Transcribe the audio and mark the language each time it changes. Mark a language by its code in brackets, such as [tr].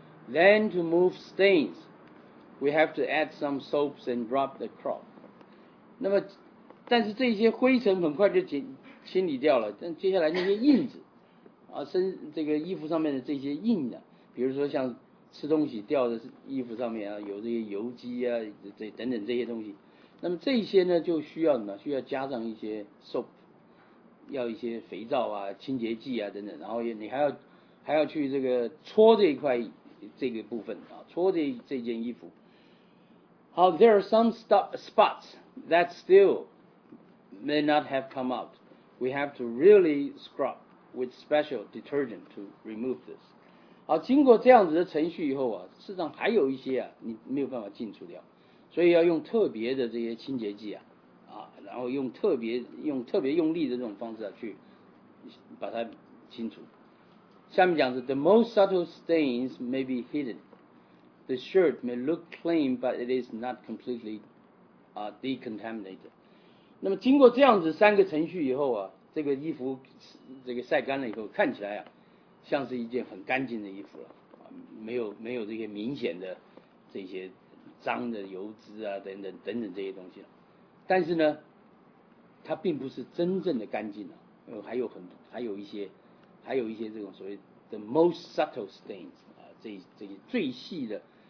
[en] Then to move stains, we have to add some soaps and rub the cloth. [zh] 那么但是这些灰尘很快就清理掉了，但接下来那些印子啊，身这个衣服上面的这些印啊，比如说像吃东西掉的衣服上面啊，有这些油迹啊，这等等这些东西，那么这些呢就需要呢，需要加上一些 soap， 要一些肥皂啊，清洁剂啊等等，然后你还要去这个搓这一块这个部分啊，搓这件衣服。 [en] 好， there are some spots that still may not have come out. We have to really scrub with special detergent to remove this. [zh] 好，经过这样子的程序以后啊，事实上还有一些啊，你没有办法清除掉，所以要用特别的这些清洁剂啊，啊，然后用特别用力的这种方式啊，去把它清除。下面讲的 [en] the most subtle stains may be hidden. The shirt may look clean, but it is not completely decontaminated. [zh] 那么经过这样子三个程序以后啊，这个衣服这个晒干了以后，看起来啊，像是一件很干净的衣服了，没有这些明显的这些脏的油脂啊等等等等这些东西了。但是呢，它并不是真正的干净了，还有一些这种所谓 [en] the most subtle stains [zh] 啊，这些最细的。